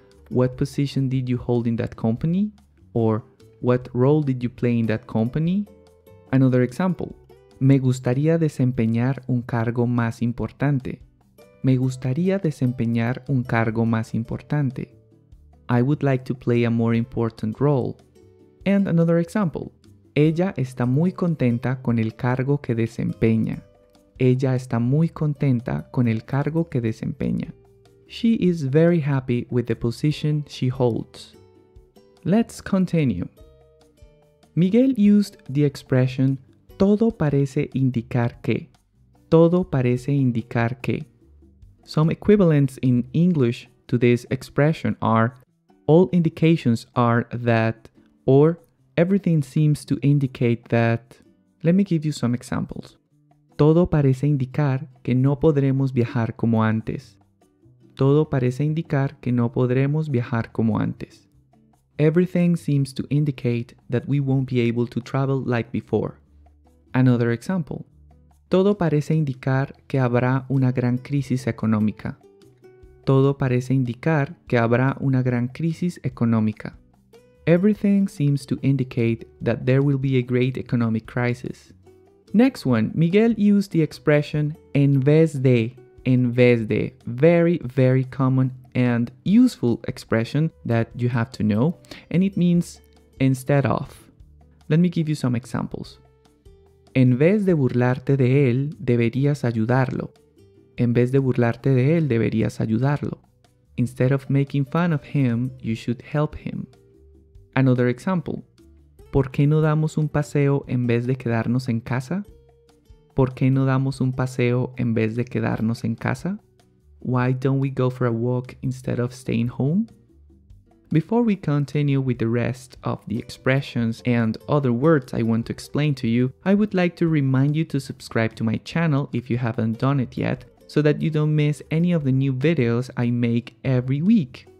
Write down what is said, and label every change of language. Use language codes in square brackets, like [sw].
[en] What position did you hold in that company? Or what role did you play in that company? Another example. [es] Me gustaría desempeñar un cargo más importante. Me gustaría desempeñar un cargo más importante. [en] I would like to play a more important role. And another example. [es] Ella está muy contenta con el cargo que desempeña. Ella está muy contenta con el cargo que desempeña. [en] She is very happy with the position she holds. Let's continue. Miguel used the expression [es] todo parece indicar que. Todo parece indicar que. [en] Some equivalents in English to this expression are all indications are that, or everything seems to indicate that. Let me give you some examples. [es] Todo parece indicar que no podremos viajar como antes. Todo parece indicar que no podremos viajar como antes. [en] Everything seems to indicate that we won't be able to travel like before. Another example. [es] Todo parece indicar que habrá una gran crisis económica. Todo parece indicar que habrá una gran crisis económica. [en] Everything seems to indicate that there will be a great economic crisis. Next one, Miguel used the expression [es] en vez de, [en] very, very common and useful expression that you have to know, and it means instead of. Let me give you some examples. [es] En vez de burlarte de él, deberías ayudarlo. En vez de burlarte de él, deberías ayudarlo. [en] Instead of making fun of him, you should help him. Another example. [es] ¿Por qué no damos un paseo en vez de quedarnos en casa? ¿Por qué no damos un paseo en vez de quedarnos en casa? [en] Why don't we go for a walk instead of staying home? Before we continue with the rest of the expressions and other words I want to explain to you, I would like to remind you to subscribe to my channel if you haven't done it yet, so that you don't miss any of the new videos I make every week.